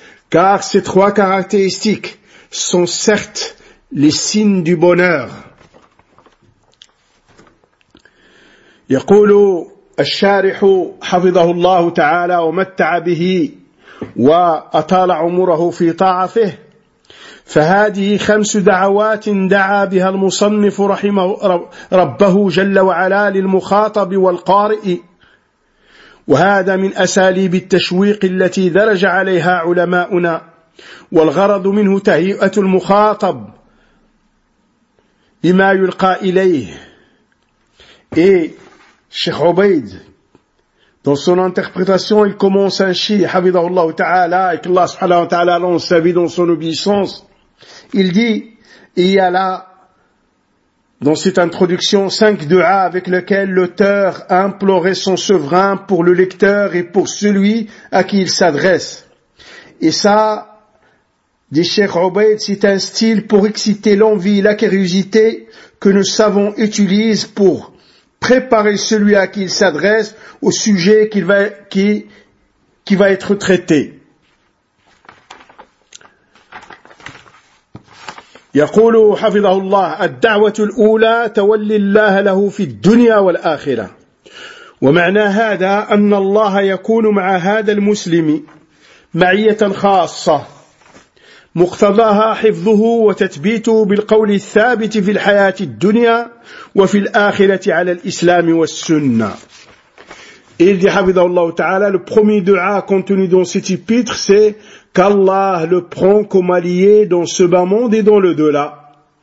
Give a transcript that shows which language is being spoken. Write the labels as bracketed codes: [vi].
[fr] Car ces trois caractéristiques sont certes les signes du bonheur. [ar] يقول الشارح حفظه الله تعالى ومتع به وأطال عمره في طاعته: فهذه خمس دعوات دعا بها المصنف رحمه ربه جل وعلا للمخاطب والقارئ، وهذا من أساليب التشويق التي درج عليها علماؤنا، والغرض منه تهيئة المخاطب لما يلقى إليه. [fr] شيخ عبيد dans son interprétation, il commence ainsi, [ar] حفظه الله تعالى [fr] et que [ar] الله سبحانه وتعالى [fr] lance sa vie dans son obéissance. Il dit, il y a là, dans cette introduction, cinq du'as avec lesquels l'auteur a imploré son souverain pour le lecteur et pour celui à qui il s'adresse. Et ça, dit Cheikh Obaid, c'est un style pour exciter l'envie, la curiosité que nos savants utilisent pour préparer celui à qui il s'adresse au sujet qui va être traité. [ar] يقول حفظه الله: الدعوة الأولى تولي الله له في الدنيا والآخرة، ومعنى هذا أن الله يكون مع هذا المسلم معية خاصة مقتضاها حفظه وتثبيته بالقول الثابت في الحياة الدنيا وفي الآخرة على الإسلام والسنة. [fr] Il dit [ar] حفظه الله تعالى: [fr] le premier dua contenu dans cet épître, c'est qu'Allah le prend comme allié dans ce bas monde et dans le delà.